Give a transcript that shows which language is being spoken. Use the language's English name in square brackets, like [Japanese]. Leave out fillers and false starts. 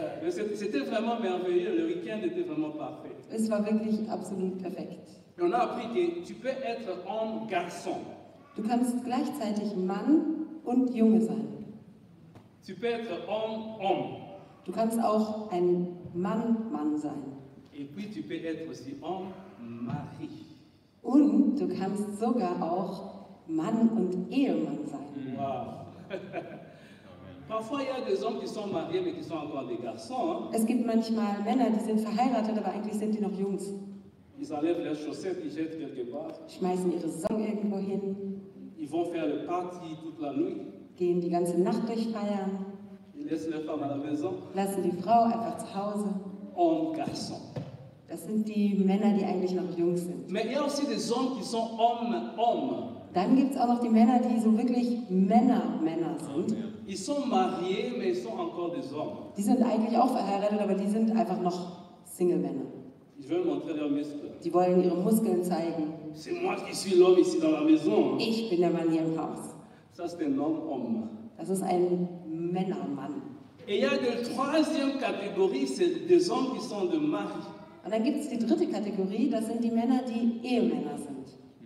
[French] C'était vraiment merveilleux, le week-end était vraiment parfait. [German] Es war wirklich absolut perfekt. [French] Et on a appris que tu peux être homme, garçon. [German] Du kannst gleichzeitig Mann und Junge sein. [French] Tu peux être homme, homme. [German] Du kannst auch ein Mann, Mann sein. [French] Et puis tu peux être aussi homme, mari. [German] Und du kannst sogar auch Mann und Ehemann sein. Wow. [French] Parfois, il y a des hommes qui sont mariés, mais qui sont encore des garçons. [German] Es gibt manchmal Männer, die sind verheiratet, aber eigentlich sind die noch Jungs. [French] Ils enlèvent leurs chaussettes, ils jettent quelque part. [German] Schmeißen ihre Socken irgendwo hin. [French] Ils vont faire le party toute la nuit. [German] Gehen die ganze Nacht durchfeiern. [French] Ils laissent leur femme à la maison. [German] Lassen die Frau einfach zu Hause. [French] Homme, garçon. [German] Das sind die Männer, die eigentlich noch Jungs sind. [French] Mais il y a aussi des hommes qui sont hommes, hommes. [German] Dann gibt es auch noch die Männer, die so wirklich Männer, Männer sind. Okay. [French] Ils sont mariés, mais ils sont encore des hommes. [German] Die sind eigentlich auch verheiratet, aber die sind einfach noch Single-Männer. Ich will [French] montrer leurs muscles. [German] Die wollen ihre Muskeln zeigen. [French] C'est moi qui suis l'homme ici dans la maison. [German] Ich bin der Mann hier im Haus. [French] Ça, c'est un homme, homme. [German] Das ist ein Männermann. [French] Et il y a une troisième catégorie, c'est des hommes qui sont des maris. [German] Und dann gibt es die dritte Kategorie, das sind die Männer, die Ehemänner sind.